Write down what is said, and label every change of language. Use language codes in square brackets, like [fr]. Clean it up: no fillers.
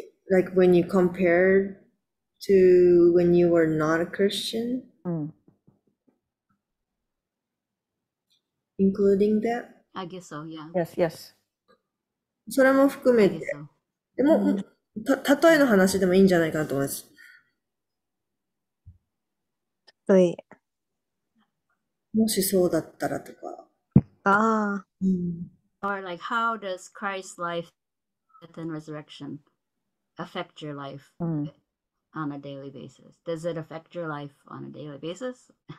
[en] Like when you compare to when you were not a Christian,、including that? I guess so, yeah. Yes, yes. [ja] それも含めて、でも、たとえの話でもいいんじゃないかなと思います。たとえ。もしそうだったらとか。ああ。 [en] Or like, how does Christ's life, death, and resurrection?affect your life、 on a daily basis? Does it affect your life on a daily basis?